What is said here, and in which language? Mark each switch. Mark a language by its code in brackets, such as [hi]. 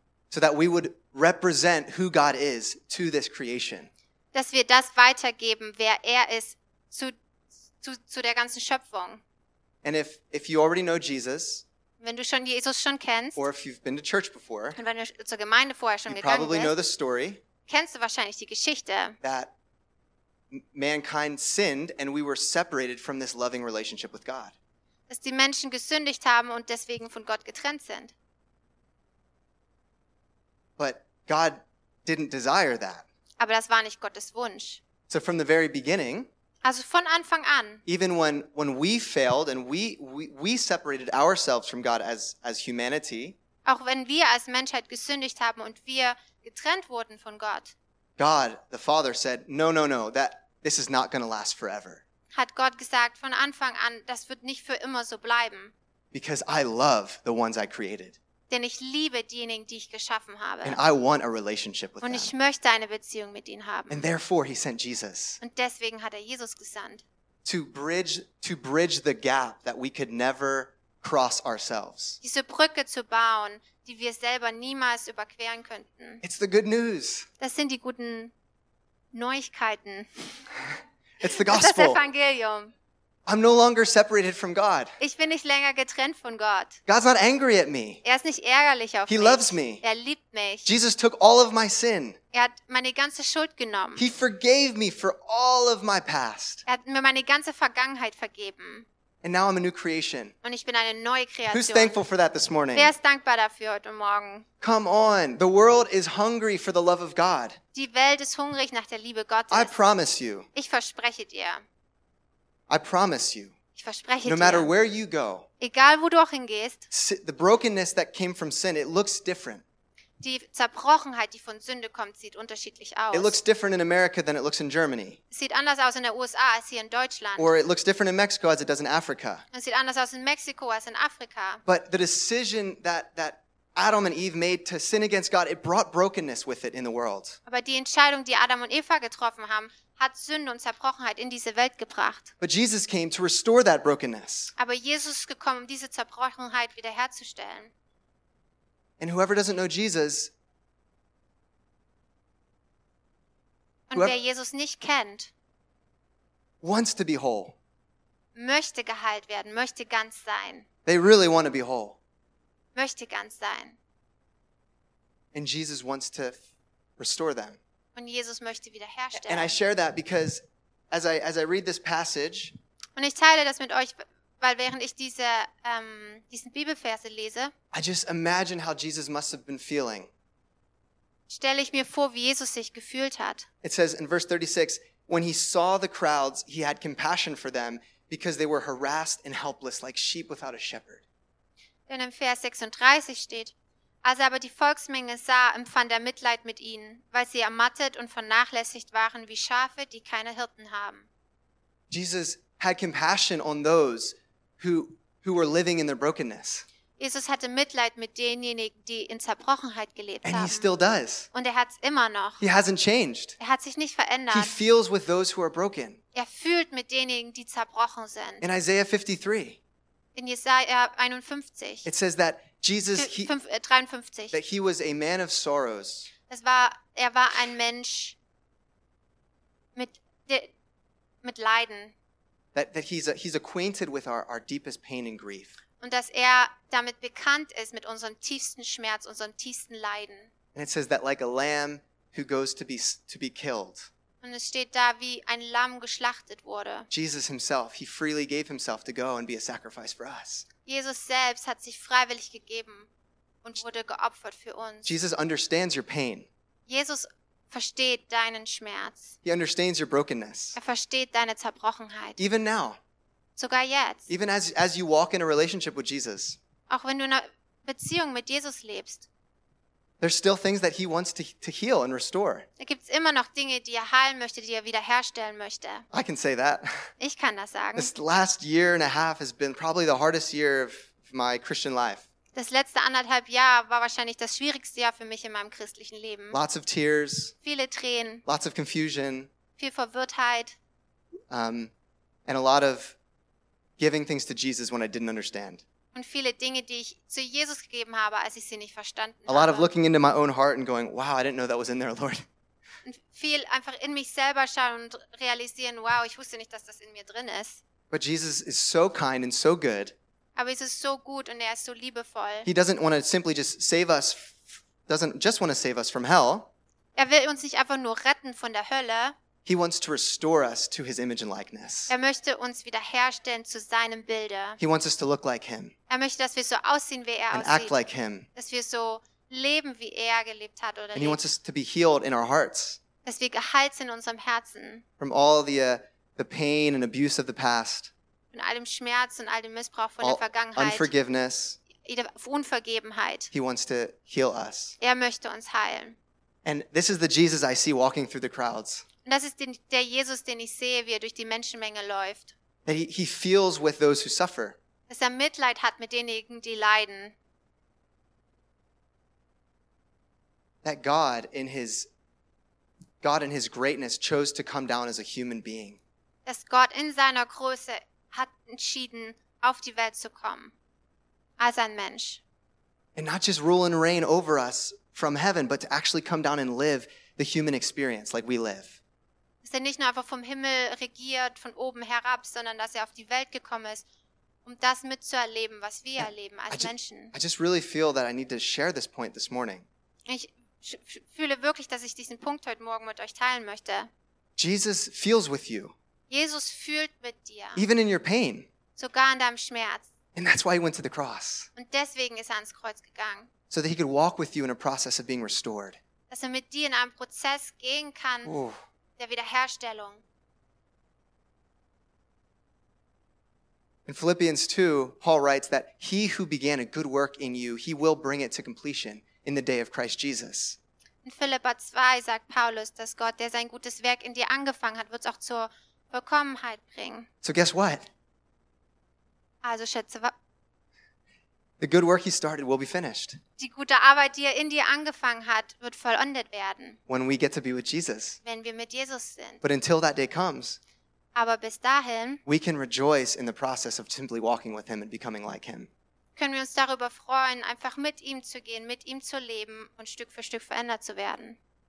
[en] So that we would represent who God is to this creation. [de] Dass wir das weitergeben, wer er ist zu der ganzen Schöpfung. [en] And if you already know Jesus, [de] wenn du schon Jesus schon kennst, [en] or if you've been to church before, [de] und wenn du zur Gemeinde vorher schon gegangen [en] probably [de] bist, [en] know the story, [de] kennst du wahrscheinlich die Geschichte, [en] that mankind sinned and we were separated from this loving relationship with God. [de] Dass die Menschen gesündigt haben und deswegen von Gott getrennt sind. [en] But God didn't desire that. [de] Aber das war nicht Gottes Wunsch. [en] So from the very beginning, [de] also von Anfang an, [en] even when we failed and we separated ourselves from God as humanity, [de] auch wenn wir als Menschheit gesündigt haben und wir getrennt wurden von Gott, [en] God the Father said, no, that this is not going to last forever. [de] Hat Gott gesagt von Anfang an, das wird nicht für immer so bleiben. [en] Because I love the ones I created. [de] Denn ich liebe diejenigen, die ich geschaffen habe. [en] And I want a relationship with [de] und ich [en] them. [de] Möchte eine Beziehung mit ihnen haben. [en] And therefore he sent Jesus. [de] Und deswegen hat er Jesus gesandt. [en] To bridge the gap that we could never cross ourselves. [de] Diese Brücke zu bauen, die wir selber niemals überqueren könnten. [en] It's the good news. [de] Das sind die guten Neuigkeiten. [en] It's the gospel. [de] Das Evangelium. [en] I'm no longer separated from God. [de] Ich bin nicht länger getrennt von Gott. [en] God's not angry at me. [de] Er ist nicht ärgerlich auf [en] He [de] mich. [en] Loves me. [de] Er liebt mich. [en] Jesus took all of my sin. [de] Er hat meine ganze Schuld genommen. [en] He forgave me for all of my past. [de] Er hat mir meine ganze Vergangenheit vergeben. [en] And now I'm a new creation. [de] Und ich bin eine neue Kreation. [en] Who's thankful for that this morning? [de] Wer ist dankbar dafür heute Morgen? [en] Come on. The world is hungry for the love of God. [de] Die Welt ist hungrig nach der Liebe Gottes. [en] I promise you. [de] Ich verspreche dir. [en] I promise you. [de] Ich verspreche [en] no No matter where you go. [de] Egal wo du auch hingehst. [en] The brokenness that came from sin, it looks different. [de] Die Zerbrochenheit, die von Sünde kommt, sieht unterschiedlich aus. [en] It looks different in America than it looks in Germany. [de] Sieht anders aus in der USA als hier in Deutschland. [en] Or it looks different in Mexico as it does in Africa. [de] Es sieht anders aus in Mexiko als in Afrika. [en] But the decision that Adam and Eve made to sin against God, it brought brokenness with it in the world. [de] Aber die Entscheidung, die Adam und Eva getroffen haben, hat Sünde und Zerbrochenheit in diese Welt gebracht. [en] But Jesus came to restore that brokenness. [de] Aber Jesus ist gekommen, um diese Zerbrochenheit wiederherzustellen. [en] And whoever doesn't know Jesus, [de] und wer Jesus nicht kennt, [en] wants to be whole. [de] Möchte geheilt werden, möchte ganz sein. [en] They really want to be whole. [de] Möchte ganz sein. [en] And Jesus wants to restore them. [de] Und Jesus möchte wiederherstellen. [en] And I share that because as I read this passage, [de] und ich teile das mit euch, weil während ich diese diesen Bibelverse lese, [en] I just imagine how Jesus must have been feeling. [de] Stelle ich mir vor, wie Jesus sich gefühlt hat. [en] It says in verse 36, when he saw the crowds, he had compassion for them because they were harassed and helpless like sheep without a shepherd. [de] Denn im Vers 36 steht, als er aber die Volksmenge sah, empfand er Mitleid mit ihnen, weil sie ermattet und vernachlässigt waren wie Schafe, die keine Hirten haben. [en] Jesus had compassion on those who were living in their brokenness. [de] Jesus hatte Mitleid mit denjenigen, die in Zerbrochenheit gelebt [en] And [de] haben. [en] And he still does. [de] Und er hat's immer noch. [en] He hasn't changed. [de] Er hat sich nicht verändert. [en] He feels with those who are broken. [de] Er fühlt mit denjenigen, die zerbrochen sind. [en] In Isaiah 53. [de] In Jesaja 51. [en] It says that Jesus, that he was a man of sorrows. [de] Das war, er war ein Mensch mit Leiden. [en] That he's acquainted with our deepest pain and grief. [de] Und dass er damit bekannt ist mit unserem tiefsten Schmerz, unserem tiefsten Leiden. [en] And it says that like a lamb who goes to be killed. [de] Und es steht da, wie ein Lamm geschlachtet wurde. [en] Jesus himself, he freely gave himself to go and be a sacrifice for us. [de] Jesus selbst hat sich freiwillig gegeben und wurde geopfert für uns. [en] Jesus understands your pain. [de] Jesus versteht deinen Schmerz. [en] He understands your brokenness. [de] Er versteht deine Zerbrochenheit. [en] Even now. [de] Sogar jetzt. [en] Even as you walk in a relationship with Jesus. [de] Auch wenn du in einer Beziehung mit Jesus lebst. [en] There's still things that he wants to heal and restore. [de] Da gibt's immer noch Dinge, die er heilen möchte, die er wiederherstellen möchte. [en] I can say that. [de] Ich kann das sagen. [en] This last year and a half has been probably the hardest year of my Christian life. [de] Das letzte anderthalb Jahr war wahrscheinlich das schwierigste Jahr für mich in meinem christlichen Leben. [en] Lots of tears. [de] Viele Tränen. [en] Lots of confusion. [de] Viel Verwirrtheit. [en] And a lot of giving things to Jesus when I didn't understand. [de] Und viele Dinge, die ich zu Jesus gegeben habe, als ich sie nicht verstanden habe. [en] A lot of looking into my own heart and going, wow, I didn't know that was in there, Lord. [de] Und viel einfach in mich selber schauen und realisieren, wow, ich wusste nicht, dass das in mir drin ist. [en] But Jesus is so kind and so good. [de] Aber Jesus ist so gut und er ist so liebevoll. [en] He doesn't want to simply just save us, doesn't just want to save us from hell. [de] Er will uns nicht einfach nur retten von der Hölle. [en] He wants to restore us to his image and likeness. [de] Er möchte uns wiederherstellen zu seinem Bilde. [en] He wants us to look like him. [de] Er möchte, dass wir so aussehen, wie er [en] and [de] aussieht. [en] Act like him. [de] Dass wir so leben, wie er gelebt hat oder [en] and [de] lebt. [en] He wants us to be healed in our hearts. [de] Dass wir geheilt sind in unserem Herzen. [en] From all the pain and abuse of the past. [de] Von all dem Schmerz und all dem Missbrauch von der Vergangenheit. [en] Unforgiveness. [de] Jeder Unvergebenheit. [en] He wants to heal us. [de] Er möchte uns heilen. [en] And this is the Jesus I see walking through the crowds. [de] Und das ist der Jesus, den ich sehe, wie er durch die Menschenmenge läuft. [en] That he feels with those who suffer. [de] Dass er Mitleid hat mit denjenigen, die leiden. [en] That God in his greatness chose to come down as a human being. [de] Dass Gott in seiner Größe hat entschieden, auf die Welt zu kommen, als ein Mensch. [en] And not just rule and reign over us from heaven, but to actually come down and live the human experience like we live. [de] Dass er nicht nur einfach vom Himmel regiert, von oben herab, sondern dass er auf die Welt gekommen ist, um das mitzuerleben, was wir erleben als Menschen. [en] I just really feel that I need to share this point this morning. [de] Ich fühle wirklich, dass ich diesen Punkt heute Morgen mit euch teilen möchte. [en] Jesus feels with you. [de] Jesus fühlt mit dir. [en] Even in your pain. [de] Sogar in deinem Schmerz. [en] And that's why he went to the cross. [de] Und deswegen ist er ans Kreuz gegangen. [en] So that he could walk with you in a process of being restored. [de] Dass er mit dir in einem Prozess gehen kann. Ooh. Der Wiederherstellung. [en] In Philippians 2, Paul writes that he who began a good work in you, he will bring it to completion in the day of Christ Jesus. [de] In Philippa 2 sagt Paulus, dass Gott, der sein gutes Werk in dir angefangen hat, wird es auch zur Vollkommenheit bringen. [en] So guess what? [de] Also schätze, [en] the good work he started will be finished. [de] Die gute Arbeit, die er in dir angefangen hat, wird vollendet werden. [en] When we get to be with Jesus. [de] Wenn wir mit Jesus sind. [en] But until that day comes. [de] Aber bis dahin. [en] We can rejoice in the process of simply walking with him and becoming like him. [de] Können wir uns darüber freuen, einfach mit ihm zu gehen, mit ihm zu leben und Stück für Stück verändert zu werden.